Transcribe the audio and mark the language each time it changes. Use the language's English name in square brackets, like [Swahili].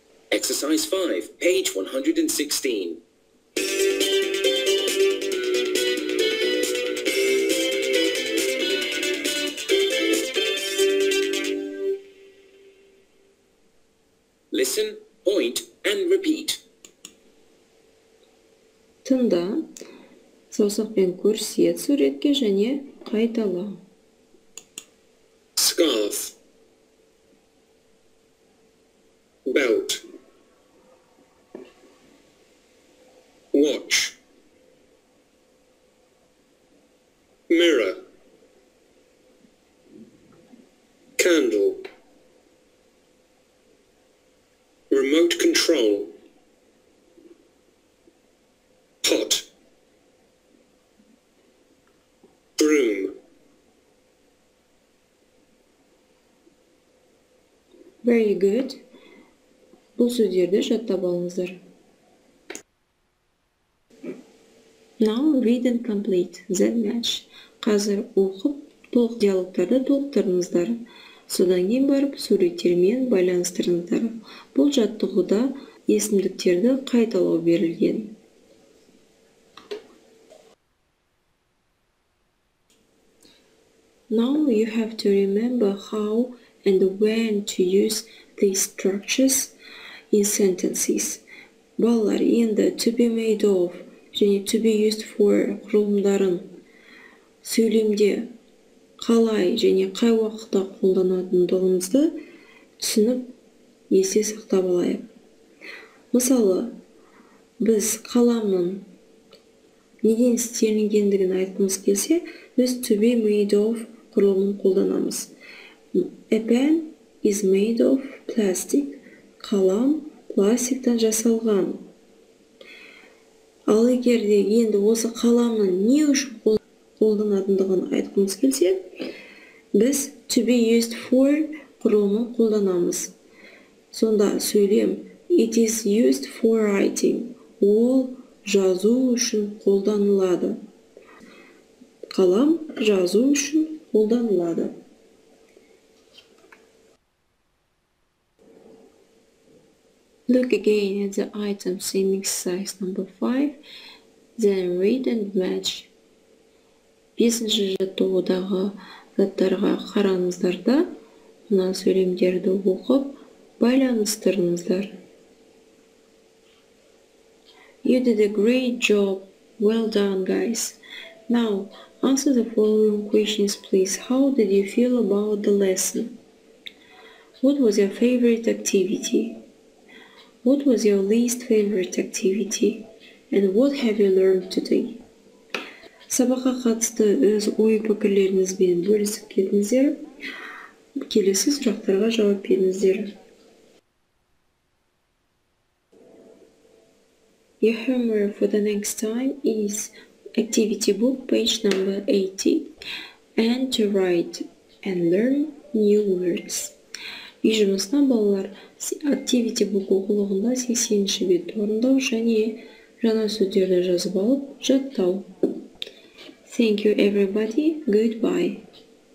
[English] 5, page 116. Listen, point, and repeat. [Kazakh] Тыңда, саусақпен көрсе суретке және қайтала. [English] Scarf. Belt. Watch. Mirror. Candle. Remote control. Pot. Broom. Very good. [Kazakh] Бұл сөздерді жаттап алыңыздар. [English] Now read and complete the match. [Kazakh] Қазір оқып, толық диалогтарды толықтырыңыздар. Содан кейін барып, суреттермен байланыстырыңыздар. Бұл жаттығуда есімдіктерді қайталау берілген. [English] Now you have to remember how and when to use these structures in sentences. [Kazakh] Балалар, енді [English] to be made of [Kazakh] және [English] to be used for [Kazakh] құрылымдарын сөйлемде қалай және қай уақытта қолданатындығымызды түсініп есте сақтап алайық. Мысалы, біз қаламын неден істелінгендігін айтқымыз келсе, біз [English] to be made of [Kazakh] құрылымын қолданамыз. [English] A pen is made of plastic, [Kazakh] қалам пластиктан жасалған. Ал егерде енді осы қаламның не үшін қолданатындығын айтқымыз келсе, біз [English] to be used for [Kazakh] құрылымын қолданамыз. Сонда сөйлем, [English] it is used for writing. [Kazakh] Ол жазу үшін қолданылады. Қалам жазу үшін қолданылады. [English] Look again at the item in exercise number 5, then read and match. [Kazakh] 5-ші жаттығудағы заттарға қараңыздар да, мына сөйлемдерді оқып, байланыстырыңыздар. [English] You did a great job. Well done, guys. Now, answer the following questions, please. How did you feel about the lesson? What was your favorite activity? What was your least favorite activity? And what have you learned today? [Kazakh] Сабаққа қатысты өз ой-пікірлеріңізбен бөлісіп кетіңіздер. Келесі сұрақтарға жауап беріңіздер. [English] Your homework for the next time is activity book page number 80 and to write and learn new words. [Kazakh] Үй жұмысына балалар, Activity Book оқулығында 80-ші бет орындау және жаңа сөздерді жазып алып, жаттау. [English] Thank you everybody. Goodbye.